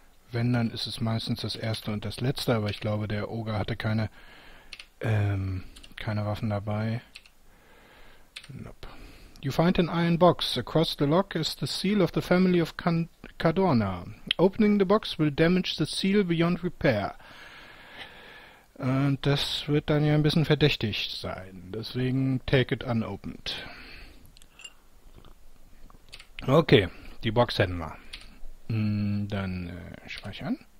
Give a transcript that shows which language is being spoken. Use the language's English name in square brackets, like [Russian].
[German] Wenn, dann ist es meistens das erste und das letzte, aber ich glaube, der Ogre hatte keine Waffen dabei. [English] Nope. You find an iron box. Across the lock is the seal of the family of Cadorna. Opening the box will damage the seal beyond repair. [German] Und das wird dann ja ein bisschen verdächtig sein. [English] Deswegen take it unopened. [German] Okay, die Box hätten wir. Dann speichern.